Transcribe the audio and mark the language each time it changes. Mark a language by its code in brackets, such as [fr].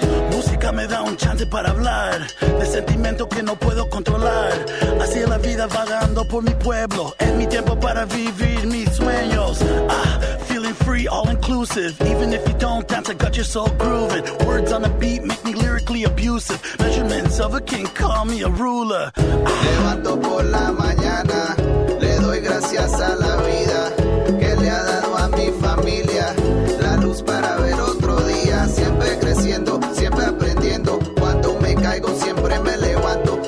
[es] Música me da un chance para hablar de sentimiento que no puedo controlar. Así es la vida vagando por mi pueblo. Es mi tiempo para vivir mis sueños. [en] Ah, feeling free, all inclusive. Even if you don't dance, I got your soul grooving. Words on the beat make me lyrically abusive. Measurements of a king, call me a ruler. [es] Levanto por la mañana, le doy gracias a la vida que le ha dado a mi familia la luz para ver otro día. Siempre creciendo, siempre aprendiendo. Cuando me caigo, siempre me levanto.